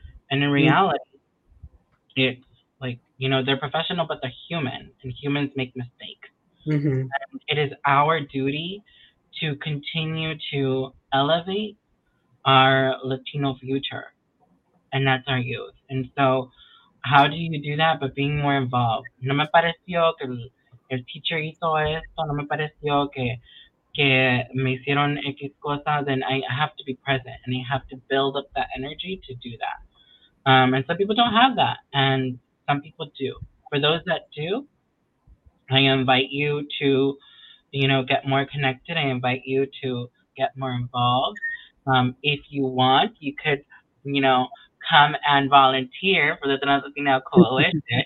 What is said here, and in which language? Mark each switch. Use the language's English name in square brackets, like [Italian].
[English] And in reality, it's like, you know, they're professional, but they're human, and humans make mistakes. Mm-hmm. And it is our duty to continue to elevate our Latino future, and that's our youth. And so how do you do that? But being more involved. [Spanish] No me pareció que el teacher hizo esto. No me pareció que me hicieron X cosa. [English] Then I have to be present, and I have to build up that energy to do that. And some people don't have that, and some people do. For those that do, I invite you to, you know, get more connected. I invite you to get more involved. If you want, you could, you know, come and volunteer for the Transatlantic Coalition.